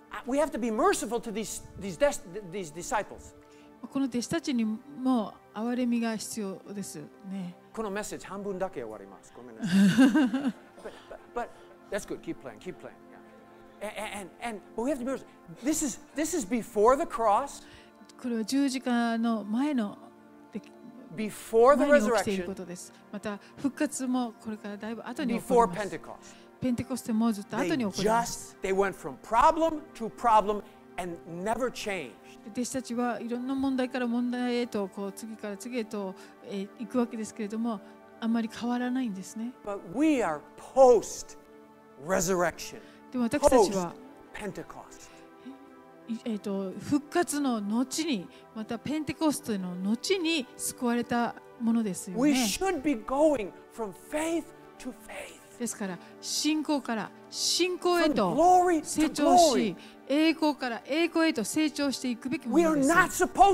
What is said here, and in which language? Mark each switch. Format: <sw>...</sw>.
<en>We have to be merciful to these disciples.</en> <ja>この弟子たちにも憐れみが必要ですね。このメッセージ半分だけ終わります。ごめんなさい。</ja> <en>But that's good. Keep playing. Yeah. And we have to be merciful. This is before the cross.</en> <ja>これは十字架の前の。</ja> <en>Before the resurrection.</en> <ja>前に起きていることです。また復活もこれからだいぶ後に起こります。</ja> <en>Before Pentecost.</en> <ja>ペンテコステもずっと後に起こります。</ja> <en>They went from problem to problem and never changed.</en> <ja>弟子たちはいろんな問題から問題へとこう次から次へと行くわけですけれども、あんまり変わらないんですね。</ja> <en>But we are post resurrection.</en> <ja>でも私たちは、</ja> <en>Pentecost.</en> <ja>復活の後に、またペンテコステの後に救われたものですよね。</ja> <en>We should be going from faith to faith.</en> <ja>ですから信仰から信仰へと成長し、栄光から栄光へと成長していくべきものです。</ja>